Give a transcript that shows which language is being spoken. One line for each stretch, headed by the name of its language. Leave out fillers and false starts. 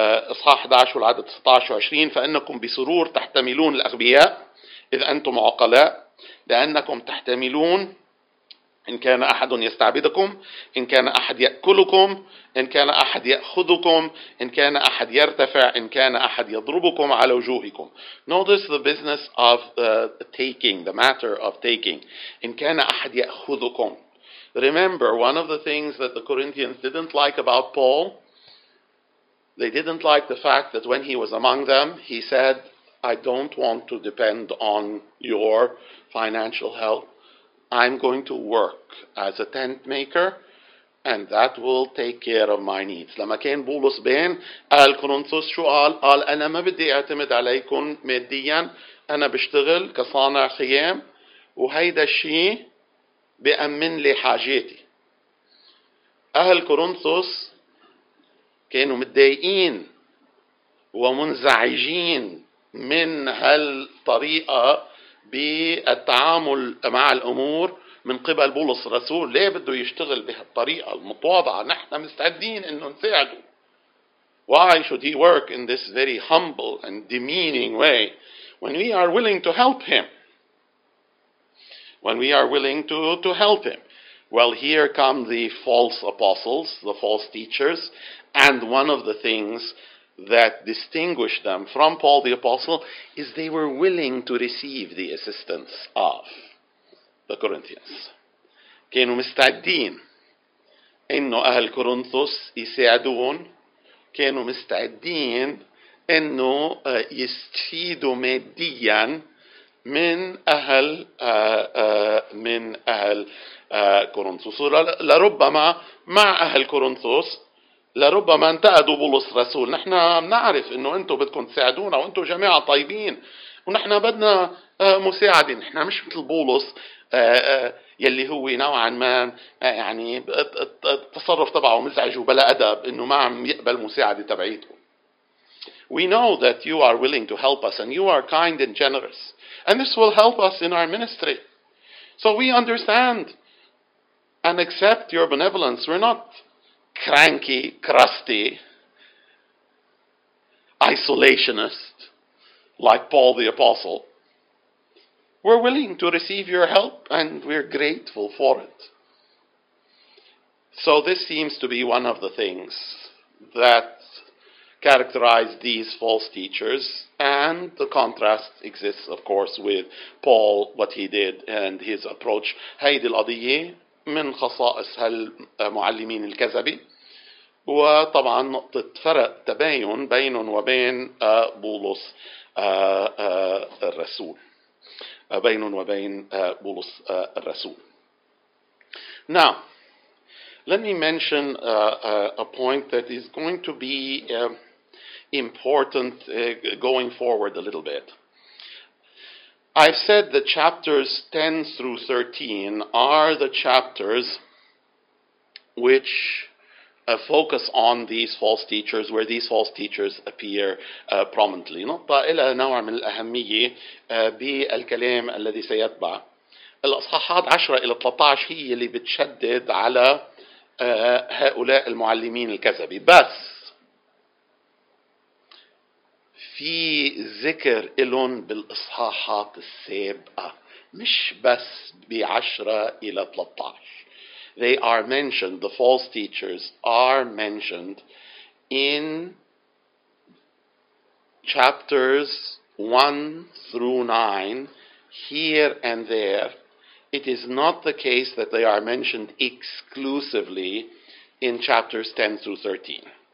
Arabic: إصحاح 11 والعدد 19-20 فإنكم بسرور تحتملون الأغبياء إذ أنتم عقلاء لأنكم تحتملون إن كان أحد يستعبدكم إن كان أحد يأكلكم إن كان أحد يأخذكم إن كان أحد يرتفع إن كان أحد يضربكم على وجوهكم.
English: Notice the business of taking, the matter of taking.
Arabic: إن كان أحد يأخذكم.
English: Remember, one of the things that the Corinthians didn't like about Paul, they didn't like the fact that when he was among them, he said, I don't want to depend on your financial help. I'm going to work as a tent maker, and that will take care of my needs.
Arabic: لما كان بولس بين الكورنثوس شو قال؟ قال أنا ما بدي أعتمد عليكم مادياً، أنا بشتغل كصانع خيام، وهيدا الشيء بأمن لي حاجاتي. أهل كورنثوس كانوا متضايقين ومنزعجين من هالطريقة بالتعامل مع الأمور من قبل بولس الرسول. ليه بده يشتغل بهالطريقة المتواضعة؟ نحن مستعدين إنه نساعده.
English: Why should he work in this very humble and demeaning way when we are willing to help him? When we are willing to help him. Well, here come the false apostles, the false teachers, and one of the things that distinguished them from Paul the Apostle is they were willing to receive the assistance of the Corinthians.
Arabic: كانوا مستعدين إنه أهل كورنثوس يساعدون كانوا مستعدين إنه يستفيدوا ماديا من أهل من أهل كورنثوس. لربما مع أهل كورنثوس لربما انتقدوا بولس الرسول. نحن نعرف انه انتم بدكم تساعدونا وانتم جماعة طيبين ونحن بدنا مساعدة. نحن مش مثل بولس يلي هو نوعا ما يعني التصرف تبعه مزعج وبلا أدب انه ما عم يقبل مساعدة تبعيته.
English: We know that you are willing to help us and you are kind and generous and this will help us in our ministry. So we understand and accept your benevolence. We're not cranky, crusty, isolationist, like Paul the Apostle. We're willing to receive your help and we're grateful for it. So this seems to be one of the things that characterized these false teachers, and the contrast exists, of course, with Paul, what he did and his approach.
Arabic: هيدي القضية من خصائص هالمعلمين الكذبي. وطبعا نقطة فرق تباين بينهم وبين بولس الرسول. بين وبين بولس الرسول.
English: Now, let me mention a point that is going to be important going forward a little bit. I've said the chapters 10 through 13 are the chapters which focus on these false teachers, where these false teachers appear prominently.
Arabic: نقطة إلى نوع من الأهمية بالكلام الذي سيتبع. الأصحاحات 10 إلى 13 هي اللي بتشدد على هؤلاء المعلمين الكذبي. بس في ذكر إلهم بالإصحاحات السابقة، مش بس بعشرة إلى 13.
English: They are mentioned, the false teachers are mentioned in chapters 1 through 9, here and there. It is not the case that they are mentioned exclusively in chapters 10 through 13.